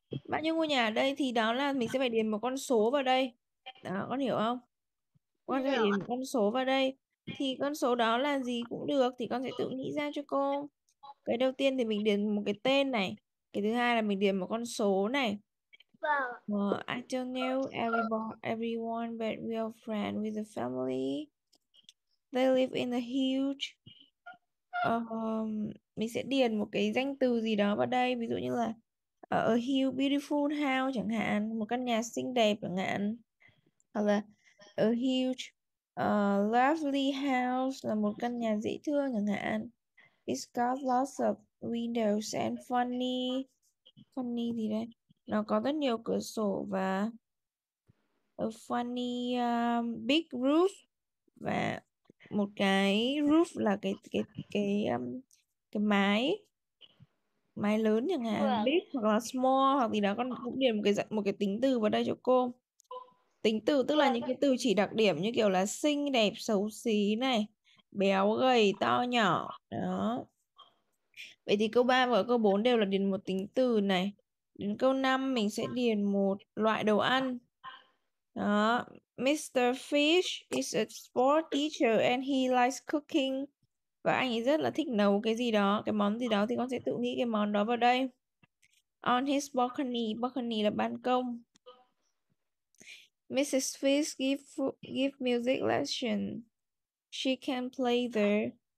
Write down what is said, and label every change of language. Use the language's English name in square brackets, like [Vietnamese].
[Vietnamese] Bao nhiêu ngôi nhà ở đây thì đó là mình sẽ phải điền một con số vào đây. Đó, con hiểu không? Con sẽ phải điền một con số vào đây. Thì con số đó là gì cũng được. Thì con sẽ tự nghĩ ra cho cô. Cái đầu tiên thì mình điền một cái tên này. Cái thứ hai là mình điền một con số này. [English] Well, I don't know everyone, but we are friends with the family. They live in a huge... [Vietnamese] mình sẽ điền một cái danh từ gì đó vào đây. Ví dụ như là [English] a huge beautiful house [Vietnamese] chẳng hạn. Một căn nhà xinh đẹp chẳng hạn. Hoặc là [English] a huge lovely house [Vietnamese] là một căn nhà dễ thương chẳng hạn. [English] It's got lots of windows and funny. Funny [Vietnamese] gì đây? Nó có rất nhiều cửa sổ và [English] a funny big roof. [Vietnamese] Và một cái roof là cái mái. Mái lớn chẳng hạn. Big hoặc là small hoặc gì đó. Con cũng điền một cái tính từ vào đây cho cô. Tính từ tức là những cái từ chỉ đặc điểm như kiểu là xinh đẹp, xấu xí này. Béo, gầy, to, nhỏ. Đó. Vậy thì câu 3 và câu 4 đều là điền một tính từ này. Đến câu 5 mình sẽ điền một loại đồ ăn. Đó. Mr. [English] Fish is a sport teacher and he likes cooking. [Vietnamese] Và anh ấy rất là thích nấu cái gì đó. Cái món gì đó thì con sẽ tự nghĩ cái món đó vào đây. [English] On his balcony. Balcony [Vietnamese] là ban công. [English] Mrs. Fish give music lessons. She can play there.